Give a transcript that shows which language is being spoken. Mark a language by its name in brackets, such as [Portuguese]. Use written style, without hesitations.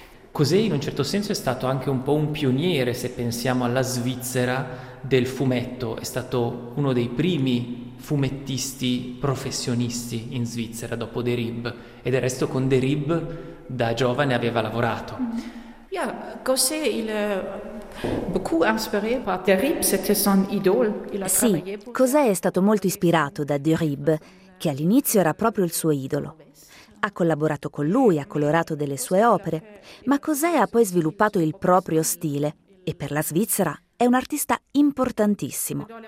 [Italian] Cosé, in un certo senso, è stato anche un po' un pioniere, se pensiamo alla Svizzera, del fumetto. È stato uno dei primi fumettisti professionisti in Svizzera, dopo Derib. E del resto con Derib, da giovane, aveva lavorato. Yeah, Cosé, il... [French] beaucoup inspiré par Derib, c'était son idole. Il a [Italian] sì, Cosé è stato molto ispirato da Derib, che all'inizio era proprio il suo idolo. Ha collaborato con lui, ha colorato delle sue opere, ma Cosé ha poi sviluppato il proprio stile e per la Svizzera è un artista importantissimo.